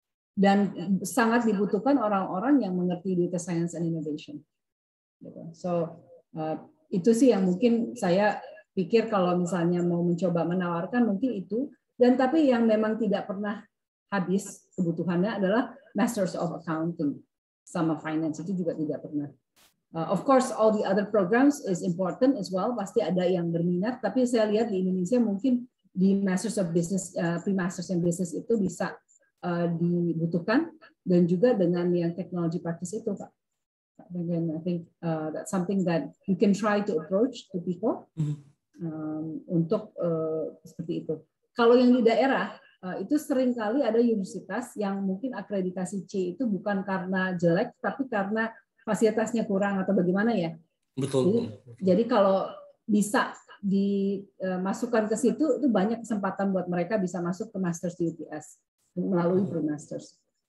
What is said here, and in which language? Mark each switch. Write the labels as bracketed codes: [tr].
[id] Dan sangat dibutuhkan orang-orang yang mengerti data science and innovation. So, itu sih yang mungkin saya pikir kalau misalnya mau mencoba menawarkan, mungkin itu. Dan tapi yang memang tidak pernah habis kebutuhannya adalah Masters of Accounting sama Finance, itu juga tidak pernah. [en] Of course, all the other programs is important as well. [id] Pasti ada yang berminat. Tapi saya lihat di Indonesia mungkin di Masters of Business, pre-Masters in Business itu bisa dibutuhkan. Dan juga dengan yang technology practice itu, Pak. [en] Again, I think that's something that you can try to approach to people [id] untuk seperti itu. Kalau yang di daerah, itu seringkali ada universitas yang mungkin akreditasi C itu bukan karena jelek, tapi karena fasilitasnya kurang atau bagaimana ya? Betul. Jadi kalau bisa dimasukkan ke situ, itu banyak kesempatan buat mereka bisa masuk ke Masters di UPS melalui pre-masters.